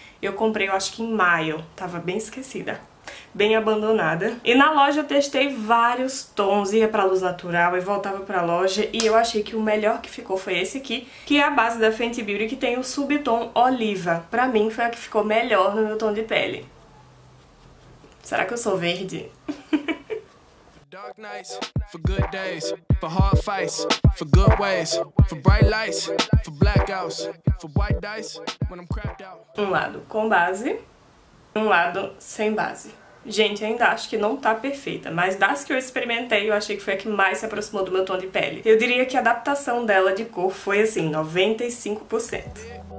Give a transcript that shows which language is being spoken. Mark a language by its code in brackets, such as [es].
[pt] Eu comprei, eu acho que em maio, tava bem esquecida, bem abandonada. E na loja eu testei vários tons, ia pra luz natural e voltava pra loja, e eu achei que o melhor que ficou foi esse aqui, que é a base da Fenty Beauty, que tem o subtom oliva. Pra mim foi a que ficou melhor no meu tom de pele. Será que eu sou verde? [en] Dark nights for good days, for hard fights, for good ways, for bright lights, for blackouts, for white dice when I'm cracked out. [pt] Um lado com base, um lado sem base. Gente, ainda acho que não tá perfeita, mas das que eu experimentei, eu achei que foi a que mais se aproximou do meu tom de pele. Eu diria que a adaptação dela de cor foi assim, 95%.